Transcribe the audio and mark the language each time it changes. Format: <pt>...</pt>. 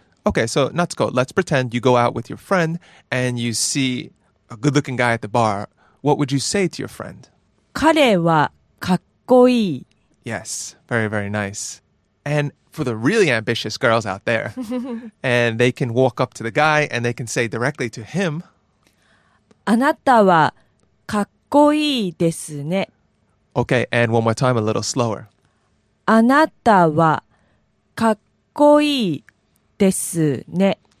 <en>Okay, so Natsuko, let's pretend you go out with your friend and you see a good looking guy at the bar. What would you say to your friend?</en> <ja>彼はかっこいい。</ja> <en>Yes, very, very nice. And for the really ambitious girls out there, and they can walk up to the guy and they can say directly to him,</en> <ja>あなたはかっこいいですね。</ja> <en>Okay, and one more time, a little slower.</en> <ja>あなたはかっこいいですね。</ja>